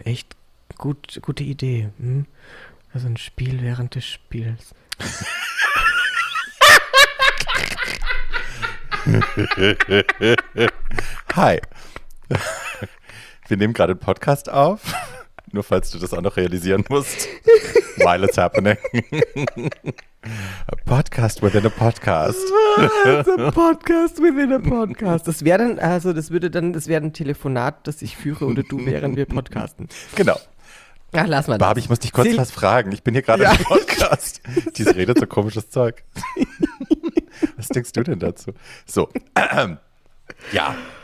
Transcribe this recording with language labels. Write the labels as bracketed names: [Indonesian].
[German] Echt gut, gute Idee. Hm? Also ein Spiel während des Spiels. Hi. Wir nehmen gerade einen Podcast auf. Nur falls du das auch noch realisieren musst. [English] While it's happening. A podcast within a podcast. A podcast within a podcast. [German] Das wäre dann, also das würde dann, das wäre ein Telefonat, das ich führe oder du, während wir podcasten. Genau. Ach, lass mal. Barbie, ich muss dich kurz was fragen. Ich bin hier gerade im Podcast. Diese Rede ist so komisches Zeug. Was denkst du denn dazu? So. Ja.